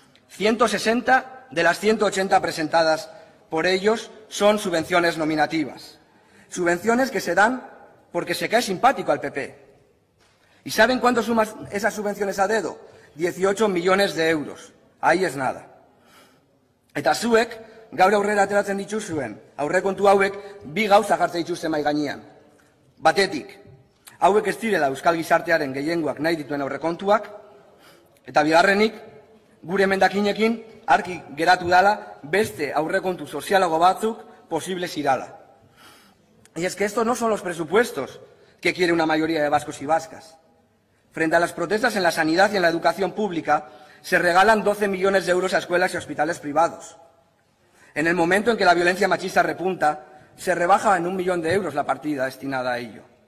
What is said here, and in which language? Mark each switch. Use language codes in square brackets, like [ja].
[es] 160 de las 180 presentadas por ellos son subvenciones nominativas. Subvenciones que se dan porque se cae simpático al PP. ¿Y saben cuánto suman esas subvenciones a dedo? 18 millones de euros. Ahí es nada. [eu] Eta zuek, gaur aurrera ateratzen dituzuen, aurrekontu hauek, bi gauza jartzen dituzte mai gainean. Batetik, hauek ez direla euskal gizartearen gehiengoak nahi dituen aurrekontuak, eta bigarrenik, gure emendakinekin, argi geratu dala, beste aurrekontu sozialago batzuk posible zirala. [es] Y es que estos no son los presupuestos que quiere una mayoría de vascos y vascas. Frente a las protestas en la sanidad y en la educación pública, se regalan 12 millones de euros a escuelas y hospitales privados. En el momento en que la violencia machista repunta, se rebaja en 1 millón de euros la partida destinada a ello.